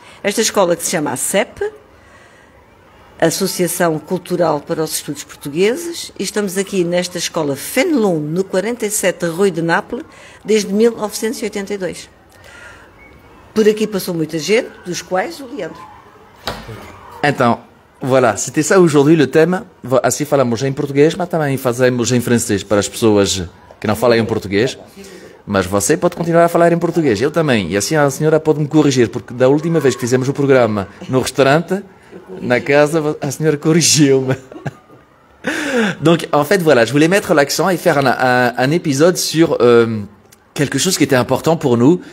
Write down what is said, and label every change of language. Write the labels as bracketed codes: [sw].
[pt] Esta escola que se chama ACEP, Associação Cultural para os Estudos Portugueses, e estamos aqui nesta escola Fenelon, no 47 Rui de Nápoles, desde 1982. Por aqui passou muita gente, dos quais o Leandro. [fr] Então, voilà, c'était ça aujourd'hui le thème. [pt] Assim falamos em português, mas também fazemos em francês para as pessoas que não falam em português. Mas você pode continuar a falar em português, eu também. E assim a senhora pode me corrigir, porque da última vez que fizemos o programa no restaurante, na casa, a senhora corrigiu-me. [fr] Donc, en fait, voilà, je voulais mettre l'accent et faire un épisode sur quelque chose qui était important pour nous.